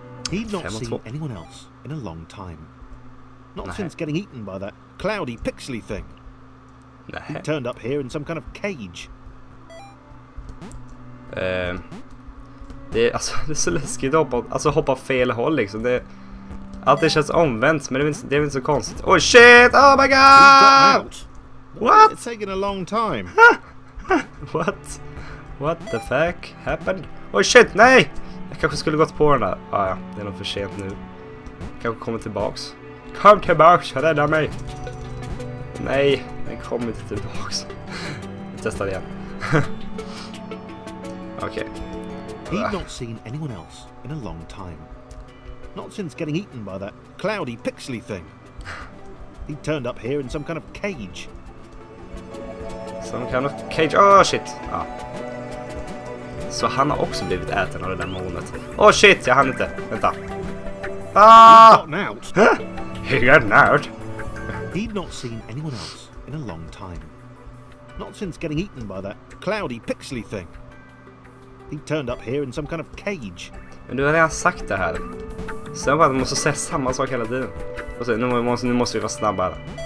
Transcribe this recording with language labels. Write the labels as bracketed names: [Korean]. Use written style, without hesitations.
[English] He'd not seen anyone else in a long time. Not nej. Since getting eaten by that cloudy pixely thing. [Swedish] Nej. [English] He turned up here in some kind of cage. [Swedish] Det är, alltså, det är så läskigt att hoppa, alltså, hoppa fel håll liksom. Det, allt det känns omvänt, men det är inte så konstigt. [English] Oh shit! Oh my god! What? It's taken a long time. What? What the fuck happened? Oh shit, nej! [Swedish] Jag kanske skulle gått på den där. Ah, ja, det är nog för sent nu. Jag kanske kommer tillbaks. Kom tillbaks, rädda mig! Nej, den kommer inte tillbaks. Vi testar det igen. Okej. Okay. [English] He'd not seen anyone else in a long time. Not since getting eaten by that cloudy pixely thing. He turned up here in some kind of cage. Some kind of cage. Oh shit. Ah. [Swedish] Så han har också blivit äten av det där molnet. [English] Oh shit, [Swedish] jag hann inte. Vänta. [English] He'd gotten out. He'd gotten out. He'd not seen anyone else in a long time. Not since getting eaten by that cloudy pixely thing. He turned up here in some kind of cage. [Swedish] Men du har redan sagt det här. Sen bara, måste säga samma sak hela tiden. Och så, nu måste vi vara snabba här.